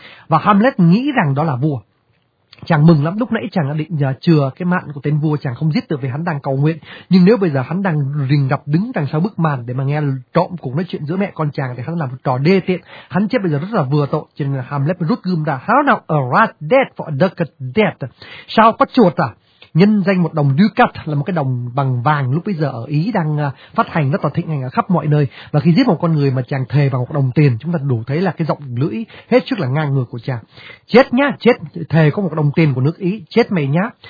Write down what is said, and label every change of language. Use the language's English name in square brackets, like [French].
[Vietnamese] Và Hamlet nghĩ rằng đó là vua. Chàng mừng lắm, lúc nãy chàng đã định chừa cái mạng của tên vua, chàng không giết được vì hắn đang cầu nguyện. Nhưng nếu bây giờ hắn đang rình rập đứng đằng sau bức màn để mà nghe trộm cuộc nói chuyện giữa mẹ con chàng thì hắn làm một trò đê tiện. Hắn chết bây giờ rất là vừa tội, cho nên Hamlet rút gươm ra. [English] How now, a rat dead for a ducat dead? [Vietnamese] Sao có chuột à? Nhân danh một đồng ducat là một cái đồng bằng vàng lúc bây giờ ở Ý đang phát hành rất là thịnh hành ở khắp mọi nơi. Và khi giết một con người mà chàng thề vào một đồng tiền, chúng ta đủ thấy là cái giọng lưỡi hết sức là ngang ngược của chàng. Chết nhá, chết, thề có một đồng tiền của nước Ý, chết mày nhá.